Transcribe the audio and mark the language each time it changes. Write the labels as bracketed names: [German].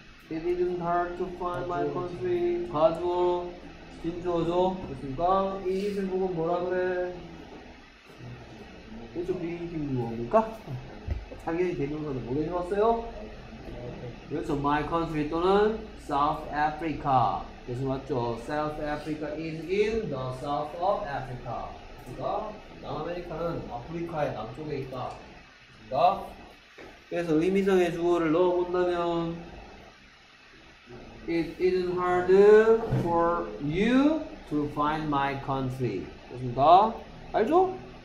[English] It isn't hard to find my country. [Korean] 가주어 진주어죠. 됐습니까? 이 이슬 보고는 뭐라 그래? 그쵸, 비행기 뭡니까? 당연히 대명사는 뭐 해줬어요? 그렇죠, [English] my country [Korean] 또는 South Africa. 그래서 맞죠? [English] South Africa is in the south of Africa. [Korean] 그니까, 남아메리카는 아프리카의 남쪽에 있다. 그니까, 그래서 의미상의 주어를 넣어본다면, It isn't hard for you to find my country. 그렇습니까? 알죠?